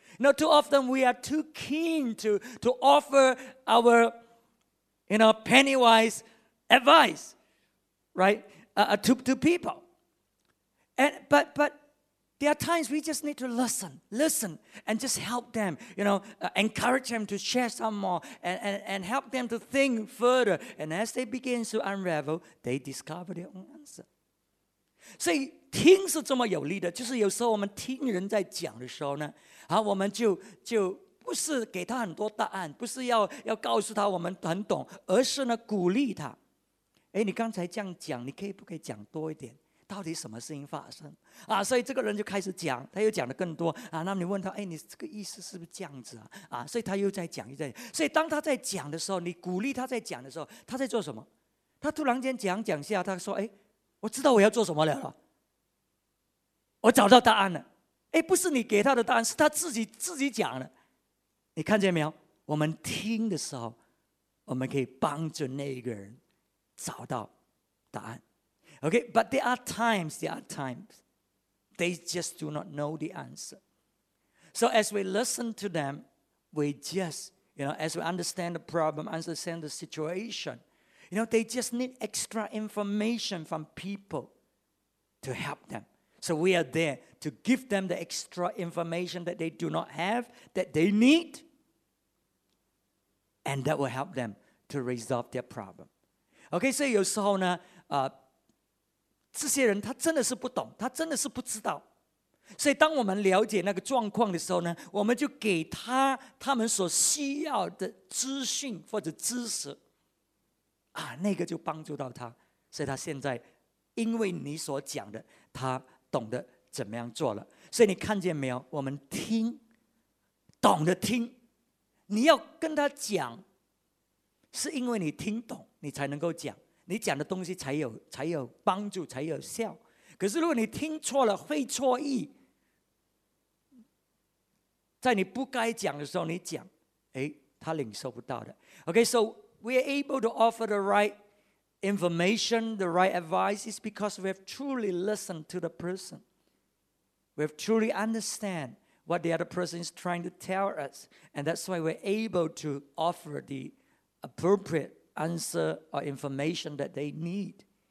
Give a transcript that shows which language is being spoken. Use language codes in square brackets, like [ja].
[en] You know, too often we are too keen to offer our, you know, penny-wise advice, right, to people. But there are times we just need to listen, and just help them, you know, encourage them to share some more and help them to think further. And as they begin to unravel, they discover their own answer. [zh] 所以听是这么有力的，就是有时候我们听人在讲的时候呢，好，我们就不是给他很多答案，不是要告诉他我们很懂，而是呢鼓励他。哎，你刚才这样讲，你可以不可以讲多一点？到底什么事情发生啊？所以这个人就开始讲，他又讲的更多啊。那你问他，哎，你这个意思是不是这样子啊？啊，所以他又在讲，所以当他在讲的时候，你鼓励他在讲的时候，他在做什么？他突然间讲下，他说，哎，我知道我要做什么了，我找到答案了。哎，不是你给他的答案，是他自己讲的。你看见没有？我们听的时候，我们可以帮助那个人找到答案。 [en] Okay, but there are times, they just do not know the answer. So as we listen to them, we just, you know, as we understand the problem, understand the situation, you know, they just need extra information from people to help them. So we are there to give them the extra information that they do not have, that they need, and that will help them to resolve their problem. [zh] Okay, so 有时候呢，这些人他真的是不懂，他真的是不知道，所以当我们了解那个状况的时候呢，我们就给他们所需要的资讯或者知识啊，那个就帮助到他，所以他现在因为你所讲的，他懂得怎么样做了。所以你看见没有，我们听，懂得听，你要跟他讲，是因为你听懂，你才能够讲，你讲的东西才有帮助，才有效。可是如果你听错了，会错意，在你不该讲的时候你讲，诶，他领受不到的。 [en] Okay, so we are able to offer the right information, the right advice is because we have truly listened to the person. We have truly understand what the other person is trying to tell us. And that's why we're able to offer the appropriate answer or information that they need.